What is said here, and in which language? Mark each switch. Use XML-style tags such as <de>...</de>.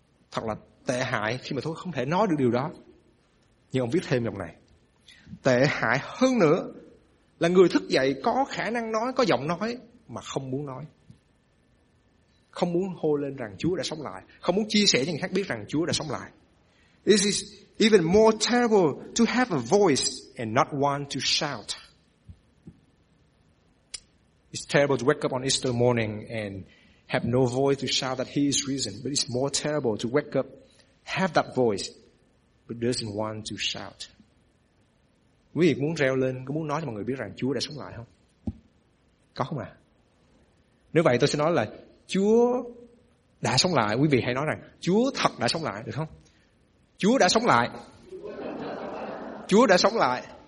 <vi>Thật là tệ hại khi mà tôi không thể nói được điều đó. Nhưng ông viết thêm dòng này: "Tệ hại hơn nữa là người thức dậy có khả năng nói, có giọng nói mà không muốn nói, không muốn hô lên rằng Chúa đã sống lại, không muốn chia sẻ cho người khác biết rằng Chúa đã sống lại.</vi> <en>It is even more terrible to have a voice and not want to shout. It's terrible to wake up on Easter morning and have no voice to shout that He is risen. But it's more terrible to wake up, have that voice, but doesn't want to shout."</en> <vi>Quý vị muốn reo lên, có muốn nói cho mọi người biết rằng Chúa đã sống lại không? Có không ạ? Nếu vậy tôi sẽ nói là Chúa đã sống lại. Quý vị hãy nói rằng Chúa thật đã sống lại, được không? Chúa đã sống lại. Chúa đã sống lại.</vi>